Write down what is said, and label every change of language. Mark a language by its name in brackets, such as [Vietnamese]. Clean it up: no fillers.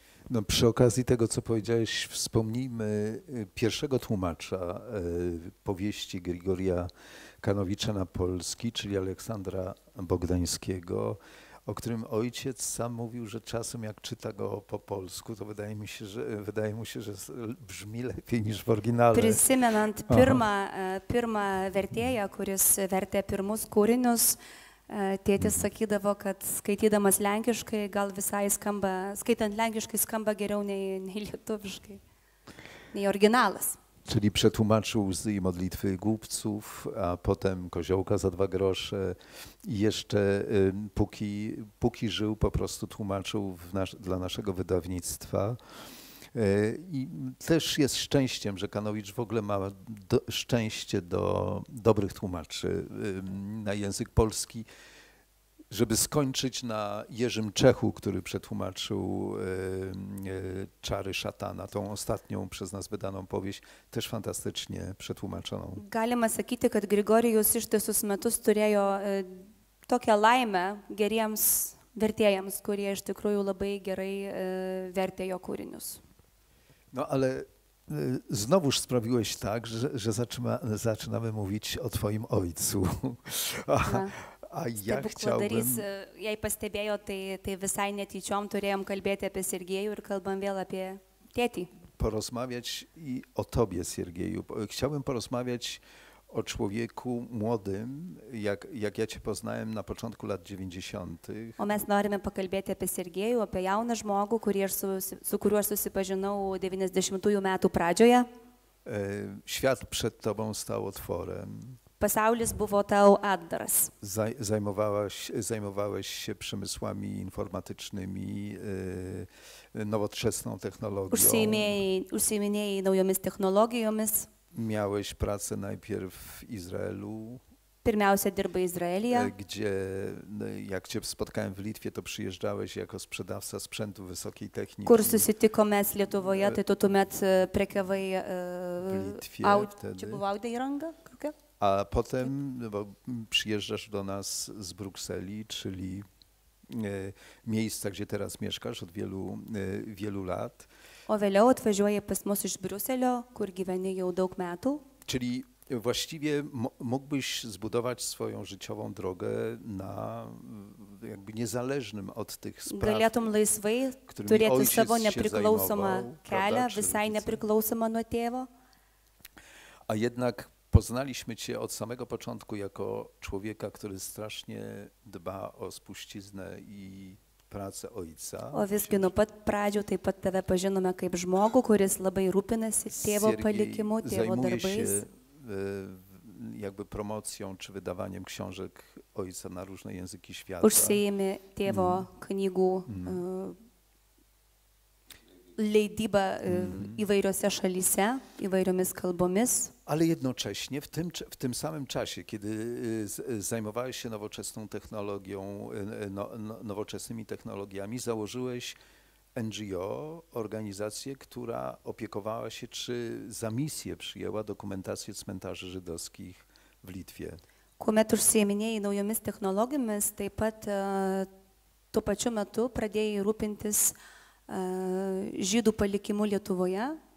[Polish] No, przy okazji tego, co powiedziałeś, wspomnijmy pierwszego tłumacza powieści Grigoria Kanowicza na polski, czyli Aleksandra Bogdańskiego, o którym ojciec sam mówił, że czasem jak czyta go po polsku, to wydaje mu się, że brzmi lepiej niż w oryginale. [Lithuanian] Prisimenant pirmą vertėją, kuris vertė pirmus kūrinius, tėtis sakydavo, kad skaitydamas lenkiškai, gal visai skamba, skaitant lenkiškai skamba geriau nei lietuviškai, nei oryginalas. [Polish] Czyli przetłumaczył Łzy i modlitwy głupców, a potem Koziołka za dwa grosze. I jeszcze póki żył, po prostu tłumaczył dla naszego wydawnictwa. I też jest szczęściem, że Kanowicz w ogóle ma szczęście do dobrych tłumaczy na język polski. Żeby skończyć na Jerzym Czechu, który przetłumaczył Czary Szatana, tą ostatnią przez nas wydaną powieść, też fantastycznie przetłumaczoną. [Lithuanian] Galima sakyti, kad Grigorijus ištisus metus turėjo tokią laimę geriems vertėjams, kurie iš tikrųjų labai gerai vertė jo kūrinius. [Polish] No ale znowuż sprawiłeś tak, że zaczynamy mówić o twoim ojcu. A ja chciałbym... [Lithuanian] Jei pastebėjo, tai visai netyčiom turėjom kalbėti apie Sergiejų ir kalbam vėl apie tėtį. [Polish] Porozmawiać i o tobie, Sergeju. Chciałbym porozmawiać o człowieku młodym, jak ja cię poznałem na początku lat 90. [Lithuanian] O mes norime pakalbėti apie Sergiejų, apie jauną žmogų, su kuriuo susipažinau 90-ųjų metų pradžioje. [Polish] Świat przed tobą stał otworem. [Lithuanian] Pasaulis buvo tau atdaras. [Polish] Zajmowałeś się przemysłami informatycznymi, nowoczesną technologią. [Lithuanian] Užsiiminėjai naujomis technologijomis. [Polish] Miałeś pracę najpierw w Izraelu. [Lithuanian] Pirmiausia dirbai Izraelyje. [Polish] Gdzie, jak cię spotkałem w Litwie, to przyjeżdżałeś jako sprzedawca sprzętu wysokiej techniki. [Lithuanian] Kur susitikome Lietuvoje, tai tu tuomet prekiavai Audi įrangą kokią? [Polish] A potem przyjeżdżasz do nas z Brukseli, czyli miejsca, gdzie teraz mieszkasz od wielu lat. [Lithuanian] O vėliau atvažiuoji pas mus iš Briuselio, kur gyveni jau daug metų. [Polish] Czyli właściwie mógłbyś zbudować swoją życiową drogę na jakby niezależnym od tych spraw. [Lithuanian] Galėtum laisvai turėti savo nepriklausomą kelią, visai nepriklausomą nuo tėvo. [Polish] A jednak poznaliśmy cię od samego początku jako człowieka, który strasznie dba o spuściznę i pracę ojca. [Lithuanian] O visgi nuo pat pradžių taip pat tave pažinome kaip žmogų, kuris labai rūpinasi tėvo palikimu, tėvo darbais. [Polish] Jakby promocją czy wydawaniem książek Ojca na różne języki świata. [Lithuanian] Užsiėmė tėvo knygų leidybą įvairiose šalyse, įvairiomis kalbomis. [Polish] Ale jednocześnie w tym samym czasie, kiedy zajmowałeś się nowoczesną technologią, nowoczesnymi technologiami, założyłeś NGO, organizację, która opiekowała się, czy za misję przyjęła dokumentację cmentarzy żydowskich w Litwie. [Lithuanian] Kuomet užsiiminėjai naujomis technologijomis, taip pat tuo pačiu metu pradėjai rūpintis žydų palikimu Lietuvoje.